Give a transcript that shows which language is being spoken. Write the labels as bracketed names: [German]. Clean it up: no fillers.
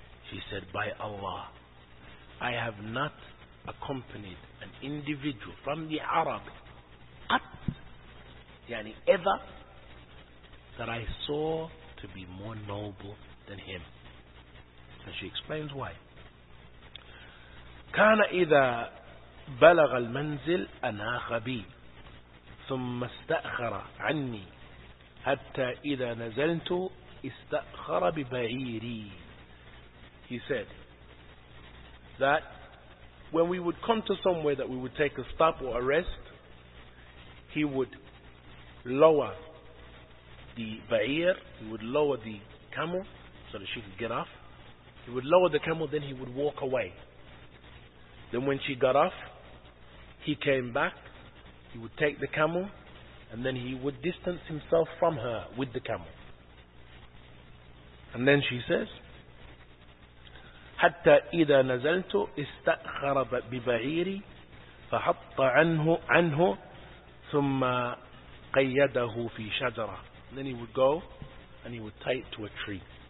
[English] She said, by Allah, I have not accompanied an individual from the Arab قَتْ يعني ever that I saw to be more noble than him. And she explains why. [Arabic] كَانَ إِذَا بَلَغَ الْمَنْزِلْ أَنَاخَ بِي ثم استأخر عني حتى إذا نزلت استأخر ببعيري. [English] He said that when we would come to somewhere that we would take a stop or a rest, he would lower the ba'ir, he would lower the camel so that she could get off. He would lower the camel, then he would walk away. Then when she got off, he came back. He would take the camel and then he would distance himself from her with the camel. [Arabic] And then she says, حتى إذا نزلت استأخر ببعيري فحط عنه ثم قيده في شجرة. [English] Then he would go and he would tie it to a tree.